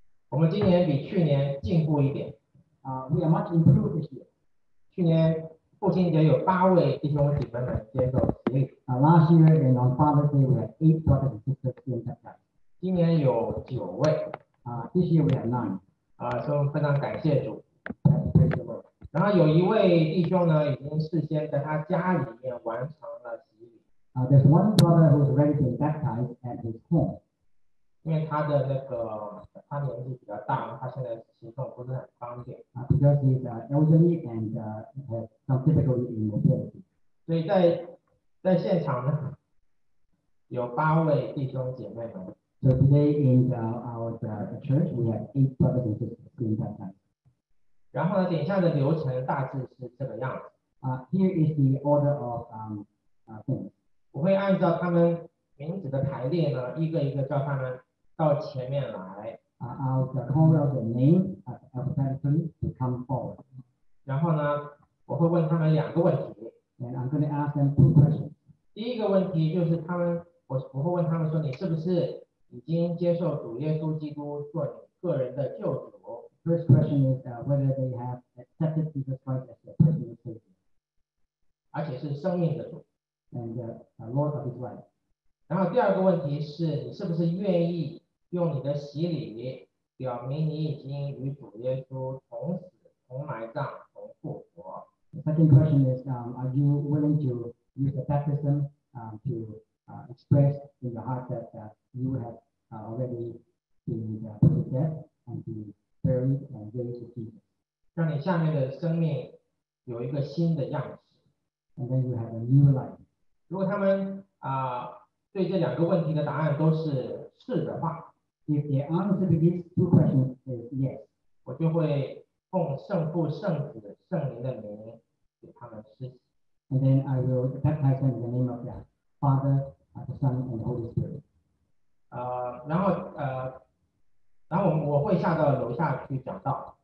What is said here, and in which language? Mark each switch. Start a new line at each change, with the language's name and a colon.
Chinese: 我们今年比去年进步一点。
English: We are much improved this year.
Chinese: 去年父亲节有8位弟兄姐妹们接受洗礼。
English: Last year and on Father's Day we had 8 brothers and sisters being baptized.
Chinese: 今年有9位。
English: This year we have 9.
Chinese: 所以非常感谢主。
English: Praise the Lord.
Chinese: 然后有一位弟兄呢，已经事先在他家里面完成了洗礼。
English: There's one brother who is ready to be baptized at his home.
Chinese: 因为他的那个他年纪比较大，他现在行动不是很方便。
English: Because he's elderly and has some difficulty in mobility.
Chinese: 所以在现场呢，有8位弟兄姐妹们。
English: So today in our church, we have 8 brothers and sisters being baptized.
Chinese: 然后呢，等一下的流程大致是这个样子。
English: Here is the order of things.
Chinese: 我会按照他们名字的排列呢，一个一个叫他们到前面来。
English: I'll call out the name of the person to come forward.
Chinese: 然后呢，我会问他们两个问题。
English: And I'm going to ask them 2 questions.
Chinese: 第一个问题就是他们，我会问他们说，你是不是已经接受主耶稣基督做你个人的救主。
English: First question is whether they have accepted Jesus Christ as their personal savior.
Chinese: 而且是生命的主。
English: And the Lord of his life.
Chinese: 然后第二个问题是，你是不是愿意用你的洗礼表明你已经与主耶稣同死、同埋葬、同复活。
English: The second question is, are you willing to use the baptism to express in your heart that you have already been put to death and be buried and raised with Jesus.
Chinese: 让你下面的生命有一个新的样式。
English: And then you have a new life.
Chinese: 如果他们对这两个问题的答案都是是的话，
English: If the answer to these two questions is yes,
Chinese: 我就会奉圣父、圣子、圣灵的名给他们施洗。
English: And then I will baptize them in the name of the Father, the Son, and Holy Spirit.
Chinese: 然后我会下到楼下去讲道。